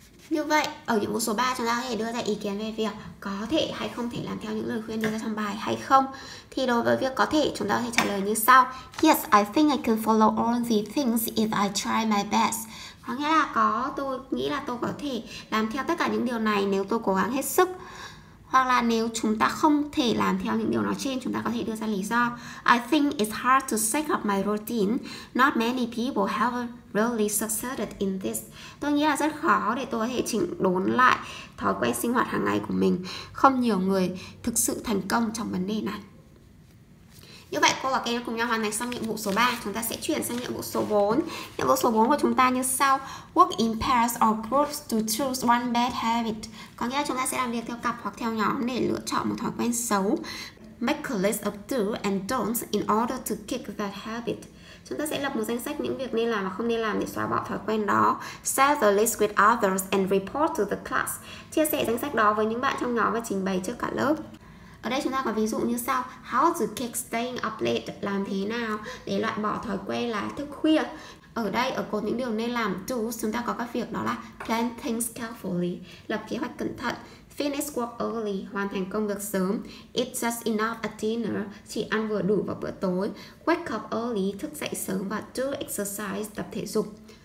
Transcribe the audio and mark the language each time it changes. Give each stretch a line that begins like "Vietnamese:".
Vietnamese: Như vậy, ở nhiệm vụ số 3 chúng ta có thể đưa ra ý kiến về việc có thể hay không thể làm theo những lời khuyên đưa ra trong bài hay không. Thì đối với việc có thể, chúng ta có thể trả lời như sau.
English: Yes, I think I can follow all the things if I try my best.
Vietnamese: Có nghĩa là có, tôi nghĩ là tôi có thể làm theo tất cả những điều này nếu tôi cố gắng hết sức. Hoặc là nếu chúng ta không thể làm theo những điều nói trên, chúng ta có thể đưa ra lý do.
English: I think it's hard to set up my routine. Not many people have really succeeded in this.
Vietnamese: Tôi nghĩ là rất khó để tôi có thể chỉnh đốn lại thói quen sinh hoạt hàng ngày của mình. Không nhiều người thực sự thành công trong vấn đề này. Như vậy, cô và các em cùng nhau hoàn thành xong nhiệm vụ số 3. Chúng ta sẽ chuyển sang nhiệm vụ số 4. Nhiệm vụ số 4 của chúng ta như sau.
English: Work in pairs or groups to choose one bad habit.
Vietnamese: Có nghĩa là chúng ta sẽ làm việc theo cặp hoặc theo nhóm để lựa chọn một thói quen xấu.
English: Make a list of do and don'ts in order to kick that habit.
Vietnamese: Chúng ta sẽ lập một danh sách những việc nên làm và không nên làm để xóa bỏ thói quen đó.
English: Share the list with others and report to the class.
Vietnamese: Chia sẻ danh sách đó với những bạn trong nhóm và trình bày trước cả lớp. Ở đây chúng ta có ví dụ như sau.
English: How to kick staying up late,
Vietnamese: làm thế nào để loại bỏ thói quen là thức khuya. Ở đây, ở cột những điều nên làm, do, chúng ta có các việc đó là
English: plan things carefully,
Vietnamese: lập kế hoạch cẩn thận,
English: finish work early,
Vietnamese: hoàn thành công việc sớm,
English: eat just enough at dinner,
Vietnamese: chỉ ăn vừa đủ vào bữa tối,
English: wake up early,
Vietnamese: thức dậy sớm và
English: do exercise,
Vietnamese: tập thể dục.